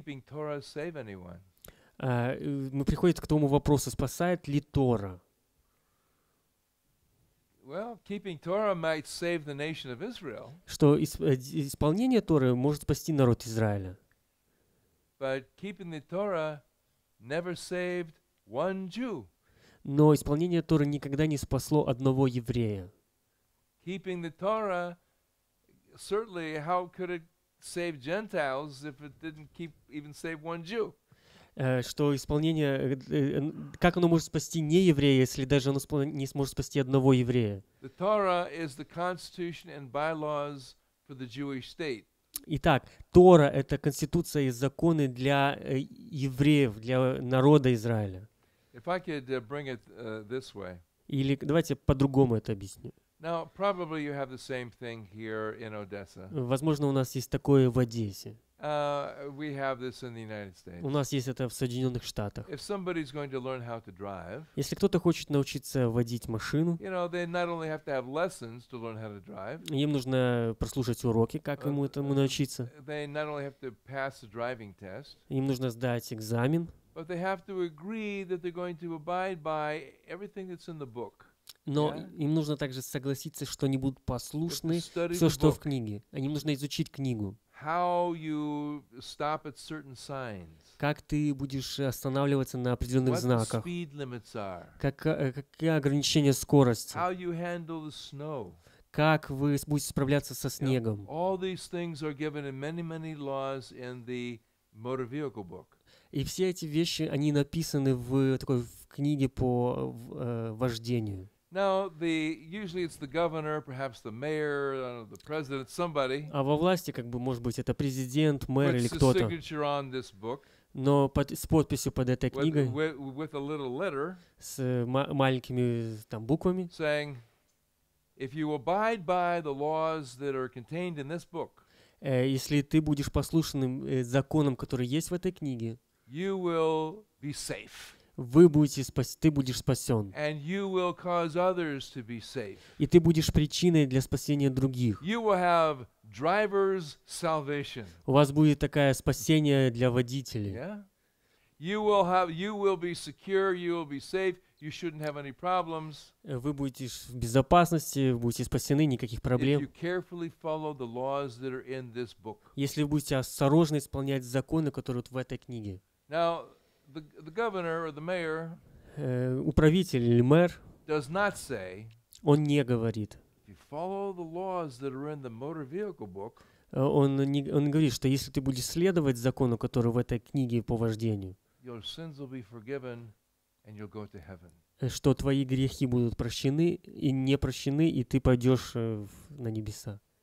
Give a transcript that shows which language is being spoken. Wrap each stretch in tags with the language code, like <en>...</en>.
<ru>мы приходим к тому вопросу, спасает ли Тора?</ru> <en>Well, keeping Torah might save the nation of Israel.</en> <ru>Что исполнение Торы может спасти народ Израиля.</ru> <en>But keeping the Torah never saved one Jew.</en> <ru>Но исполнение Торы никогда не спасло одного еврея.</ru> <en>Keeping the Torah, certainly, how could it save Gentiles if it didn't keep even save one Jew?</en> <ru>Что исполнение, как оно может спасти не еврея, если даже оно не сможет спасти одного еврея?</ru> <en>The Torah is the constitution and bylaws for the Jewish state.</en> <ru>Итак, Тора — это конституция и законы для евреев, для народа Израиля.</ru> <en>If I could bring it this way.</en> <ru>Или давайте по-другому это объясню.</ru> <en>Now, probably you have the same thing here in Odessa.</en> <ru>Возможно, у нас есть такое в Одессе.</ru> <en>We have this in the United States.</en> <ru>У нас есть это в Соединенных Штатах.</ru> <en>If somebody's going to learn how to drive,</en> <ru>если кто-то хочет научиться водить машину,</ru> <en>you know, they not only have to have lessons to learn how to drive,</en> <ru>им нужно прослушать уроки, как ему этому научиться.</ru> <en>They not only have to pass the driving test,</en> <ru>им нужно сдать экзамен,</ru> <en>but they have to agree that they're going to abide by everything that's in the book.</en> <ru>Но</ru> <en>yeah?</en> <ru>им нужно также согласиться, что они будут послушны все, что в книге. Им нужно изучить книгу.</ru> <en>How you stop at certain signs.</en> <ru>Как ты будешь останавливаться на определенных</ru> <en>What</en> <ru>знаках?</ru> <en>The speed limits are.</en> <ru>Какие ограничения скорости?</ru> <en>How you handle the snow.</en> <ru>Как вы будете справляться со снегом?</ru> <en>You know, all these things are given in many, many laws in the motor vehicle book.</en> <ru>И все эти вещи, они написаны в такой в книге по вождению.</ru> <en>Now, the usually it's the governor, perhaps the mayor, the president, somebody.</en> <ru>А во власти, как бы, может быть, это президент, мэр или кто-то.</ru> <en>Puts a signature on this book.</en> <ru>Но под, с подписью под этой книгой.</ru> <en>With a little letter.</en> <ru>С маленькими там буквами.</ru> <en>Saying, if you abide by the laws that are contained in this book.</en> <ru>Если ты будешь послушным законам, которые есть в этой книге.</ru> <en>You will be safe.</en> <ru>Вы будете ты будешь спасен.</ru> <en>And you will cause others to be safe.</en> <ru>И ты будешь причиной для спасения других.</ru> <en>You will have driver's salvation.</en> <ru>У вас будет такое спасение для водителей.</ru> <en>Yeah? You will be secure, you will be safe, you shouldn't have any problems.</en> <ru>Вы будете в безопасности, будете спасены, никаких проблем.</ru> <en>If you carefully follow the laws that are in this book.</en> <ru>Если вы будете осторожно исполнять законы, которые вот в этой книге.</ru> <en>Now, The governor or the mayor</en> <ru>управитель или мэр</ru> <en>does not say,</en> <ru>он не говорит.</ru> <en>If you follow the laws that are in the motor vehicle book,</en> <ru>он говорит, что если ты будешь следовать закону, который в этой книге по вождению,</ru> <en>your sins will be forgiven and you'll go to heaven.</en> <ru>Что твои грехи будут прощены и не прощены, и ты пойдешь на небеса.</ru>